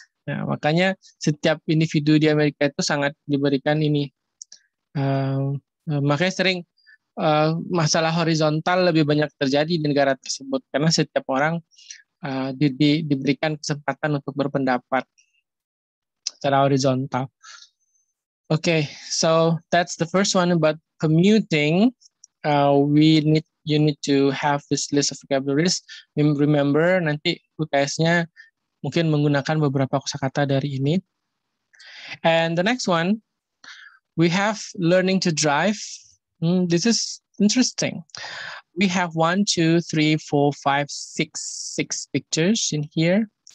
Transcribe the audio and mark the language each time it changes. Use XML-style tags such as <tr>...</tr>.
<id>Nah, makanya setiap individu di Amerika itu sangat diberikan ini. Makanya sering masalah horizontal lebih banyak terjadi di negara tersebut, karena setiap orang diberikan kesempatan untuk berpendapat secara horizontal.</id> <en>Okay, so that's the first one about commuting. You need to have this list of vocabularies. Remember,</en> <id>nanti UTS-nya mungkin menggunakan beberapa kosakata dari ini.</id> <en>And the next one, we have learning to drive. This is interesting. We have 1, 2, 3, 4, 5, 6 pictures in here.</en>